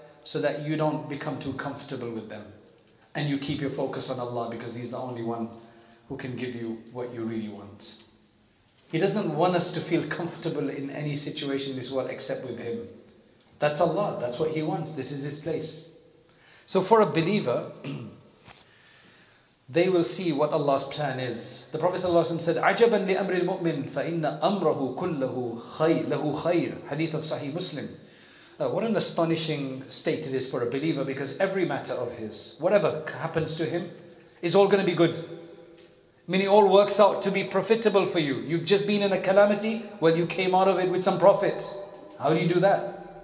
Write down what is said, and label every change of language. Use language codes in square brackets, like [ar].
[en] So that you don't become too comfortable with them. And you keep your focus on Allah, because He's the only one who can give you what you really want. He doesn't want us to feel comfortable in any situation in this world except with Him. That's Allah. That's what He wants. This is His place. So for a believer, they will see what Allah's plan is. The Prophet ﷺ said, [ar] عَجَبًا لِأَمْرِ الْمُؤْمِنِ فَإِنَّ أَمْرَهُ كُلَّهُ خَيْرٌ لَهُ خَيْرٌ [en] Hadith of Sahih Muslim. What an astonishing state it is for a believer, because every matter of his, whatever happens to him, is all going to be good. Meaning all works out to be profitable for you. You've just been in a calamity, well, you came out of it with some profit. How do you do that?